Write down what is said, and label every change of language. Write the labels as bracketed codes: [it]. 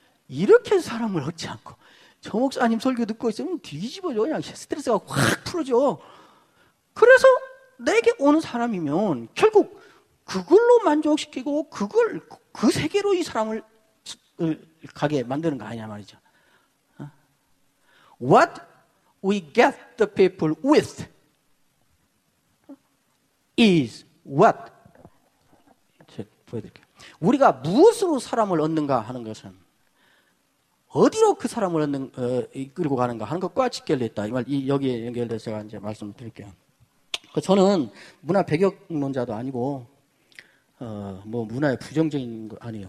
[ko] 이렇게 사람을 얻지 않고 저 목사님 설교 듣고 있으면 뒤집어져. 그냥 스트레스가 확 풀어져. 그래서 내게 오는 사람이면 결국 그걸로 만족시키고 그걸 그 세계로 이 사람을 가게 만드는 거 아니냐 말이죠. [en] What we get the people with is what? [ko] 제가 보여드릴게요. 우리가 무엇으로 사람을 얻는가 하는 것은 어디로 그 사람을 얻는, 이끌고 가는가 하는 것과 직결됐다. 이 말, 여기에 연결돼서 제가 이제 말씀을 드릴게요. 저는 문화 배경론자도 아니고, 뭐 문화의 부정적인 거 아니에요.